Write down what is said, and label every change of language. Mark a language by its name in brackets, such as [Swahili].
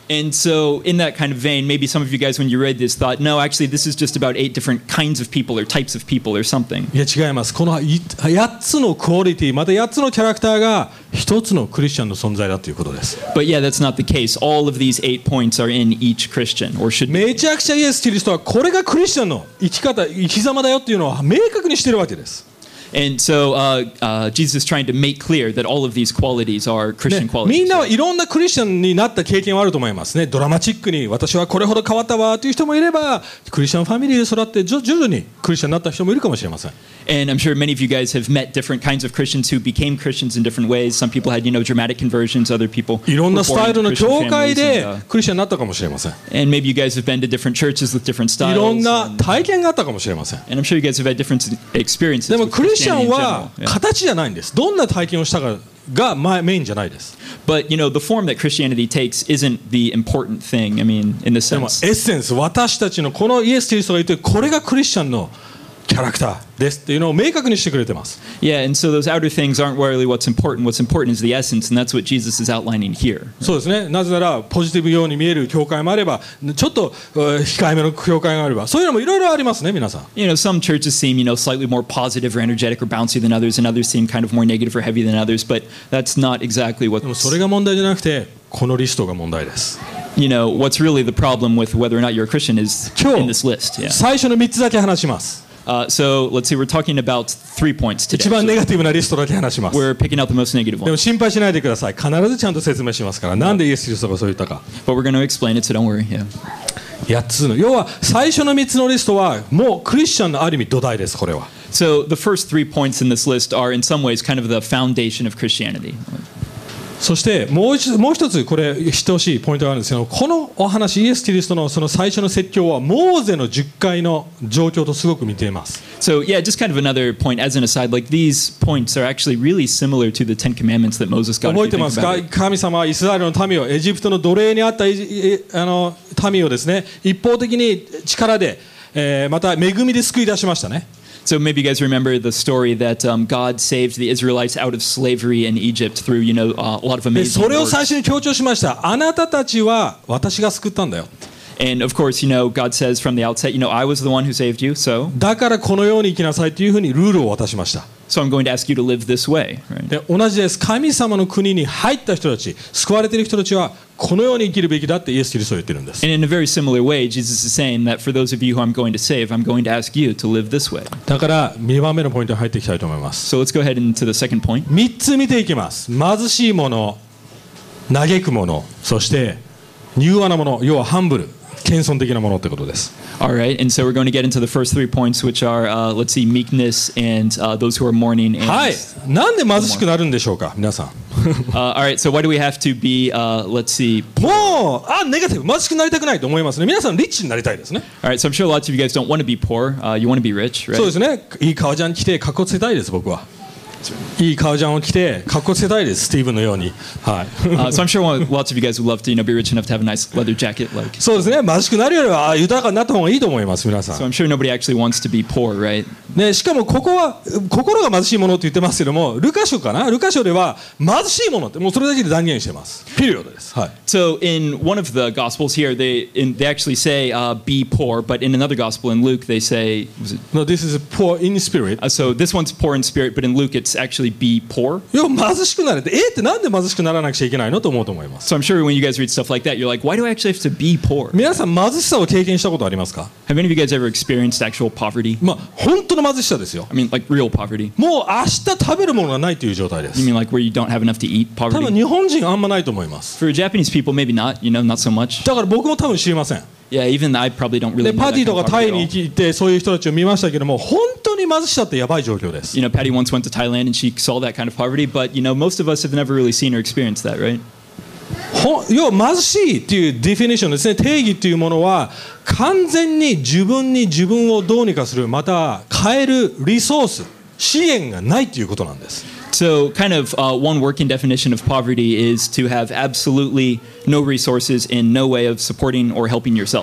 [English] And so, in that kind of vein, maybe some of you guys, when you read this, thought, no, actually, this is just about 8 different kinds of people or types of people or something. [Japanese] いや、違います。この8つのクオリティ、また8つのキャラクターが1つのクリスチャンの存在だということです。 [English] But yeah, that's not the case. All of these 8 points are in each Christian, or should be. [Japanese] めちゃくちゃイエス・キリストはこれがクリスチャンの生き様だよっていうのを明確にしてるわけです。 [English] And so Jesus is trying to make clear that all of these qualities are Christian qualities. [Japanese] みんなはいろんなクリスチャンになった経験はあると思いますね。ドラマチックに私はこれほど変わったわという人もいれば、クリスチャンファミリーで育って徐々にクリスチャンになった人もいるかもしれません。 [English] And I'm sure many of you guys have met different kinds of Christians who became Christians in different ways. Some people had, you know, dramatic conversions. Other people [Japanese] いろんなスタイルの教会でクリスチャンになったかもしれません。 [English] And maybe you guys have been to different churches with different styles. [Japanese] いろんな体験があったかもしれません。 [English] And I'm sure you guys have had different experiences. [Japanese] でもクリスチャンは形じゃないんです。どんな体験をしたかがメインじゃないです。 [English] But you know, the form that Christianity takes isn't the important thing. I mean, in the sense. [Japanese] でもエッセンス、私たちのこのイエス・キリストが言ってこれがクリスチャンのキャラクターですっていうのを明確にしてくれてます。 [English] Yeah, and so those outer things aren't really what's important. What's important is the essence, and that's what Jesus is outlining here. [Japanese] そうですね。なぜならポジティブように見える教会もあれば、ちょっと控えめの教会があれば、そういうのもいろいろありますね、皆さん。 [English] You know, some churches seem, you know, slightly more positive or energetic or bouncy than others, and others seem kind of more negative or heavy than others. But that's not exactly what. [Japanese] でもそれが問題じゃなくて、このリストが問題です。 [English] You know, what's really the problem with whether or not you're a Christian is in this list. Yeah. [Japanese] 最初の3つだけ話します。 [English] So let's see, we're talking about 3 points today. [Japanese] 一番ネガティブなリストだけ話します。 [English] We're picking out the most negative one. [Japanese] でも心配しないでください。必ずちゃんと説明しますから。なんでイエス・キリストがそう言ったか。 [English] But we're going to explain it, so don't worry. Yeah. [Japanese] 8つの。要は最初の3つのリストはもうクリスチャンのある意味土台です、これは。 [English] So the first three points in this list are in some ways kind of the foundation of Christianity. [Japanese] そしてもう一つこれ知ってほしいポイントがあるんですけど、このお話イエス・キリストのその最初の説教はモーゼの十戒の状況とすごく似ています。 [English] So yeah, just kind of another point as an aside, like these points are actually really similar to the Ten Commandments that Moses got. [Japanese] 覚えてますか？神様はイスラエルの民をエジプトの奴隷にあったあの民をですね、一方的に力で、また恵みで救い出しましたね。 [English] So maybe you guys remember the story that God saved the Israelites out of slavery in Egypt through, you know, a lot of amazing works. [Japanese] それを最初に強調しました。あなたたちは私が救ったんだよ。 [English] And of course, you know, God says from the outset, you know, I was the one who saved you, so. [Japanese] だからこのように生きなさいというふうにルールを渡しました。 [English] So I'm going to ask you to live this way. [Japanese] で、同じです。神様の国に入った人たち、救われている人たちはこのように生きるべきだってイエス・キリストは言ってるんです。 [English] And in a very similar way, Jesus is saying that for those of you who I'm going to save, I'm going to ask you to live this way. [Japanese] だから2番目のポイントに入っていきたいと思います。 [English] So let's go ahead into the second point. [Japanese] 3つ見ていきます。貧しいもの、嘆くもの、そして柔和なもの、要はハンブル。謙遜的なものってことです。 [English] All right, and so we're going to get into the first three points, which are, let's see, meekness and those who are mourning. And [Japanese] はい。なんで貧しくなるんでしょうか、皆さん。 [English] all right, so why do we have to be, let's see, poor? [Japanese] もう、ネガティブ、貧しくなりたくないと思いますね。皆さん、リッチになりたいですね。 [English] All right, so I'm sure lots of you guys don't want to be poor. You want to be rich, right? [Japanese] そうですね。いい革ジャン着て、かっこつけたいです、僕は。いい革ジャンを着て、かっこつけたいです、スティーブンのように。はい。 [English] So I'm sure lots of you guys would love to, you know, be rich enough to have a nice leather jacket like. [Japanese] そうですね。貧しくなるよりは豊かになった方がいいと思います、皆さん。 [English] So I'm sure nobody actually wants to be poor, right? [Japanese] ね、しかもここは心が貧しいものと言ってますけども、ルカ書かな？ルカ書では貧しいものってもうそれだけで断言してます。ピリオドです。はい。 [English] So in one of the gospels here, they actually say be poor, but in another gospel in Luke they say No, this is poor in spirit. So this one's poor in spirit, but in Luke it's actually be poor. [Japanese] いや貧しくなれって、ってなんで貧しくならなくちゃいけないのと思うと思います。 [English] So I'm sure when you guys read stuff like that, you're like, why do I actually have to be poor? [Japanese] 皆さん貧しさを経験したことありますか？ [English] Have any of you guys ever experienced actual poverty? [Japanese] まあ本当の貧しさですよ。 [English] I mean like real poverty. [Japanese] もう明日食べるものがないという状態です。 [English] You mean like where you don't have enough to eat poverty? [Japanese] 多分日本人あんまないと思います。 [English] For Japanese people, maybe not. You know, not so much. [Japanese] だから僕も多分知りません。 [English] Yeah, even I probably don't really. [Japanese] でパディとかタイに行ってそういう人たちを見ましたけども、本当に貧しさってやばい状況です。 [English] You know, Patty once went to Thailand and she saw that kind of poverty, but you know, most of us have never really seen or experienced that, right? [Japanese] 要は貧しいっていうディフィニションですね。定義っていうものは完全に自分に自分をどうにかする、また変えるリソース、支援がないということなんです。 [English] So, kind of one working definition of poverty is to have absolutely no resources and no way of supporting or helping yourself.